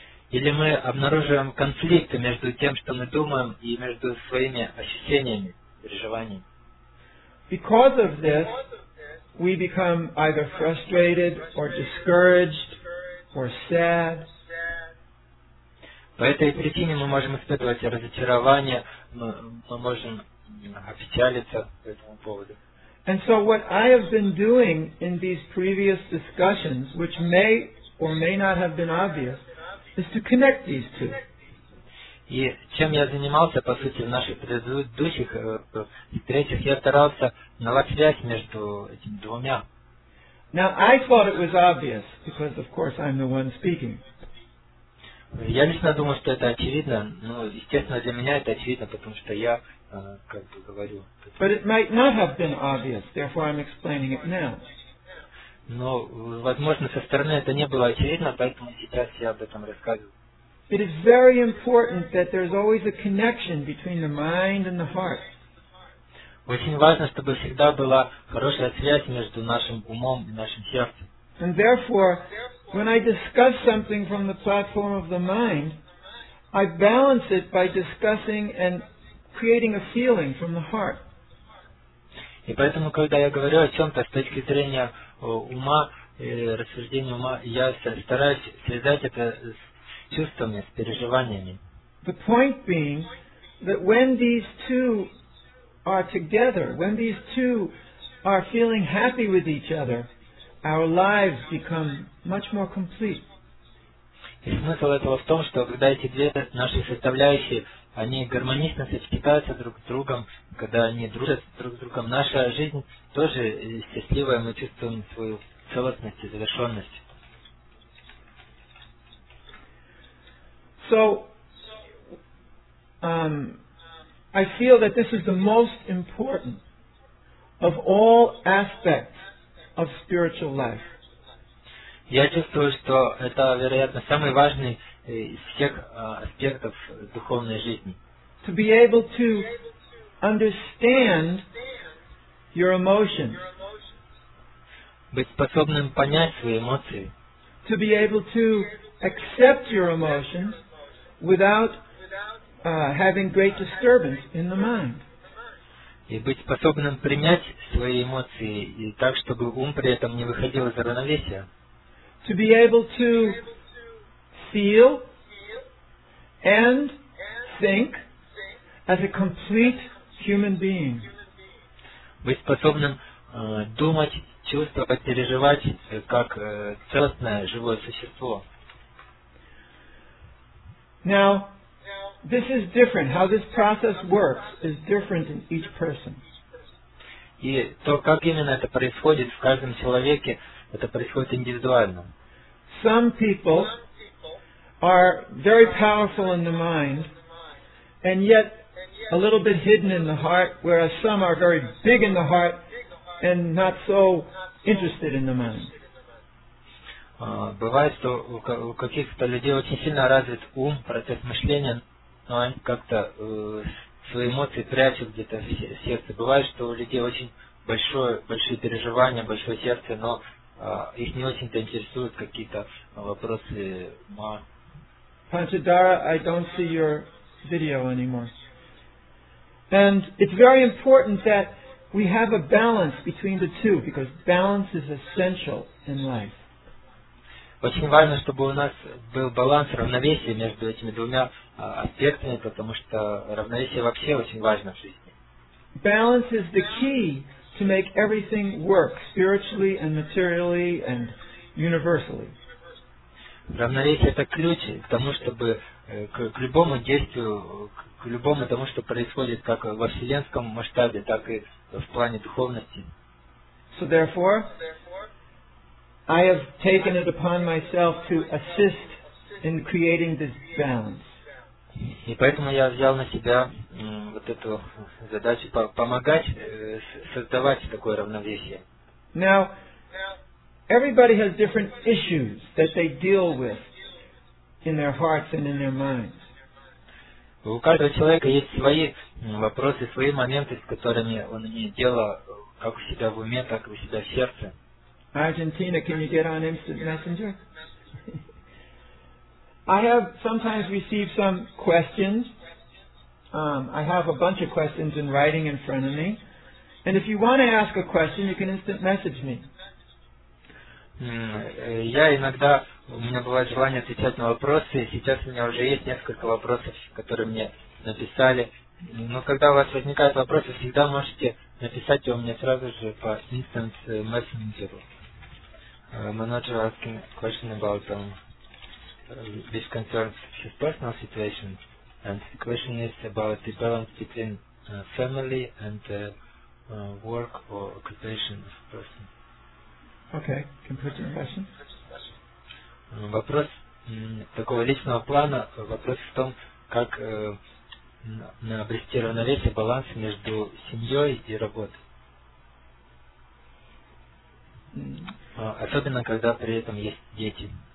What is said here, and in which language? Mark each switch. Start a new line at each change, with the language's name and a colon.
Russian: Или мы обнаруживаем конфликты между тем, что мы думаем, и между своими ощущениями, переживаниями.
English: Because of this, we become either frustrated or discouraged or sad.
Russian: По этой причине мы можем испытывать разочарование, мы можем опечалиться по этому поводу.
English: And so what I have been doing in these previous discussions, which may or may not have been obvious, is to connect these two.
Russian: И чем я занимался, по сути, в наших предыдущих встречах, я старался наладить связь между этими двумя.
English: Now, I thought it was obvious, because, of course, I'm the one speaking.
Russian: Я лично думаю, что это очевидно, но, естественно, для меня это очевидно, потому что я как бы говорю.
English: But it might not have been obvious, therefore I'm explaining it now.
Russian: Но, возможно, со стороны это не было очевидно, поэтому сейчас я об этом рассказываю.
English: It is very important that there is always a connection between the mind and the heart.
Russian: Очень важно, чтобы всегда была хорошая связь между нашим умом и нашим сердцем.
English: And therefore, when I discuss something from the platform of the mind, I balance it by discussing and creating a feeling from the heart.
Russian: И поэтому, когда я говорю о чем-то с точки зрения ума, рассуждения ума, я стараюсь связать это с чувствами, с переживаниями.
English: The point being that when these two are together, when these two are feeling happy with each other, our lives become much more complete.
Russian: И смысл этого в том, что когда эти две наши составляющие, они гармонично сочетаются друг с другом, когда они дружат друг с другом, наша жизнь тоже счастливая, мы чувствуем свою целостность и завершенность.
English: So, I feel that this is the most important of all aspects of spiritual life.
Russian: Я чувствую, что это, вероятно, самый важный из всех аспектов духовной жизни.
English: To be able to understand your emotions.
Russian: Быть способным понять свои эмоции.
English: To be able to accept your emotions without having great disturbance in the mind.
Russian: И быть способным принять свои эмоции и так, чтобы ум при этом не выходил из равновесия.
English: To be able to feel and think as a complete human being.
Russian: Быть способным думать, чувствовать, переживать как целостное живое существо.
English: Now, this is different. How this process works is different in each person.
Russian: И то, как именно это происходит в каждом человеке, это происходит индивидуально.
English: Some people are very powerful in the mind and yet a little bit hidden in the heart, whereas some are very big in the heart and not so interested in the mind.
Russian: Бывает, что у каких-то людей очень сильно развит ум, процесс мышления, но они как-то свои эмоции прячут где-то в сердце. Бывает, что у людей очень большие переживания, большое сердце, но их не очень-то интересуют какие-то вопросы ума.
English: Panchadara, I don't see your video anymore. And it's very important that we have a balance between the two, because balance is essential in life.
Russian: Очень важно, чтобы у нас был баланс, равновесие между этими двумя аспектами, потому что равновесие вообще очень важно в жизни.
English: Balance is the key to make everything work spiritually and materially and universally.
Russian: Равновесие — это ключ к тому, чтобы к любому действию, к любому тому, что происходит как во вселенском масштабе, так и в плане духовности.
English: So therefore, I have taken it upon myself to assist in creating this balance.
Russian: И поэтому я взял на себя вот эту задачу помогать создавать такое равновесие.
English: Now, everybody has different issues that they deal with in their hearts and in their minds.
Russian: У каждого человека есть свои вопросы, свои моменты, с которыми он имеет дело, как у себя в уме, так и у себя в сердце.
English: Argentina, can you get on Instant Messenger? I have sometimes received some questions. I have a bunch of questions in writing in front of me. And if you want to ask a question, you can instant message me.
Russian: Я иногда, у меня бывает желание отвечать на вопросы. Сейчас у меня уже есть несколько вопросов, которые мне написали. Но когда у вас возникают вопросы, всегда можете написать его мне сразу же по Instant Messenger.
English: Manager asking a question about this concerns his personal situation. And the question is about the balance between family and work or occupation of a person. Okay, can you put your question?
Russian: Вопрос такого личного плана, вопрос в том, как обрести равновесие, баланс между семьей и работой. Особенно, когда при этом есть дети.